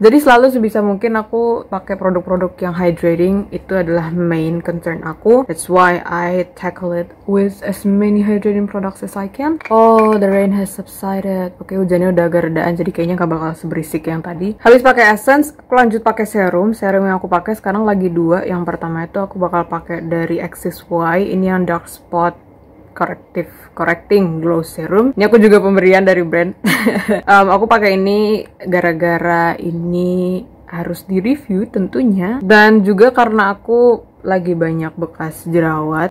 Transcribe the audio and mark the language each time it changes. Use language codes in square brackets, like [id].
[id] Jadi selalu sebisa mungkin aku pakai produk-produk yang hydrating, itu adalah main concern aku. [en] That's why I tackle it with as many hydrating products as I can. Oh, the rain has subsided. [id] Oke, hujannya udah agak redaan, jadi kayaknya gak bakal seberisik yang tadi. Habis pakai essence, aku lanjut pakai serum. Serum yang aku pakai sekarang lagi dua. Yang pertama itu aku bakal pakai dari Axis Y, ini yang dark spot correcting glow serum. Ini aku juga pemberian dari brand. aku pakai ini gara-gara ini harus di review tentunya, dan juga karena aku lagi banyak bekas jerawat.